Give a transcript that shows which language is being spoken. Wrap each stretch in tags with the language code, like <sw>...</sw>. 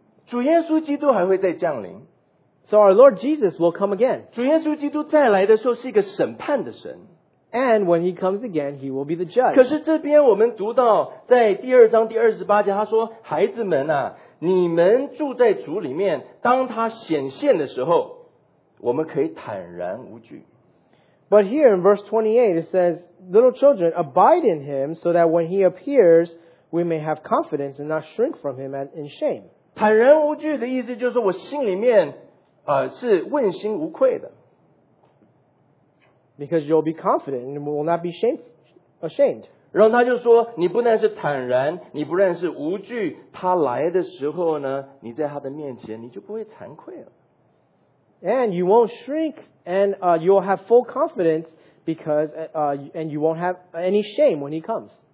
<en>The interaction is different. So our Lord Jesus will come again.</en> <zh>主耶稣基督再来的时候是一个审判的神。</zh> <en>And when he comes again, he will be the judge.</en> <zh>可是这边我们读到在第二章第二十八节，他说：“孩子们啊，你们住在主里面，当他显现的时候，我们可以坦然无惧。”</zh> <en>But here in verse 28, it says, "Little children, abide in him, so that when he appears, we may have confidence and not shrink from him in shame."</en> <zh>坦然无惧的意思就是我心里面。是问心无愧的。</zh> <en>Because you'll be confident and will not be ashamed.</en> <zh>然后他就说，你不但是坦然，你不但是无惧，他来的时候呢，你在他的面前，你就不会惭愧了。</zh> <en>And you won't shrink and you'll have full confidence because and you won't have any shame when he comes.</en>